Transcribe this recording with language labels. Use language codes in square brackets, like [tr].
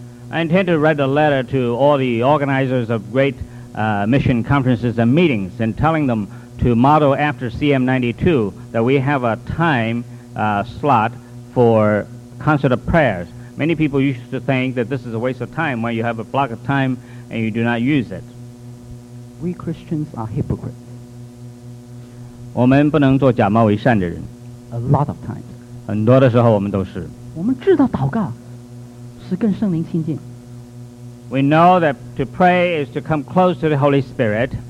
[en] I intend to write a letter to all the organizers of great mission conferences and meetings and telling them to model after CM 92 that we have a time slot for concert of prayers. Many people used to think that this is a waste of time when you have a block of time and you do not use it. We Christians are hypocrites. [zh] 我们不能做假冒为善的人。 [en] A lot of times. [zh] 很多的时候我们都是我们知道祷告是跟圣灵亲近 [en] We know that to pray is to come close to the Holy Spirit